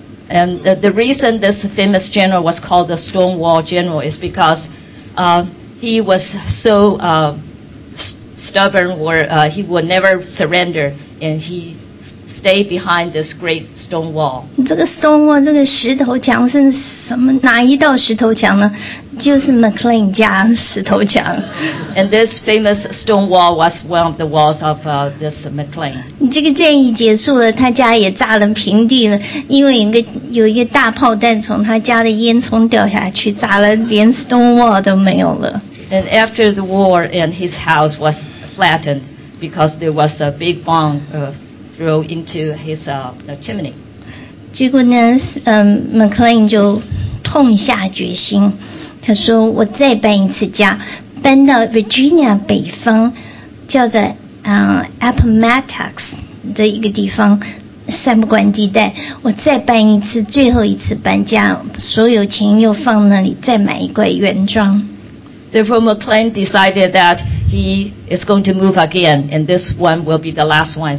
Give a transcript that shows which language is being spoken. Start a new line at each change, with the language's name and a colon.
English: And the reason this famous general was called the Stonewall General is because he was so stubborn, or he would never surrender, and he stayed behind this great stone wall.
Chinese: 这个 stone wall, 这个石头墙是什么？哪一道石头墙呢？就是 McLean 家石头墙。
English: And this famous stone wall was one of the walls of this McLean.
Chinese: 这个战役结束了，他家也炸了平地了，因为有一个大炮弹从他家的烟囱掉下去，炸了连 stone wall 都没有了。
English: And after the war, and his house was flattened because there was a big bomb throw into his chimney.
Chinese: 结果呢，McLean 就痛下决心。他说：“我再搬一次家，搬到 Virginia 北方，叫做Appomattox 的一个地方，三不管地带。我再搬一次，最后一次搬家，所有钱又放那里，再买一块原装。”
English: Therefore, McLean decided that he is going to move again, and this one will be the last one.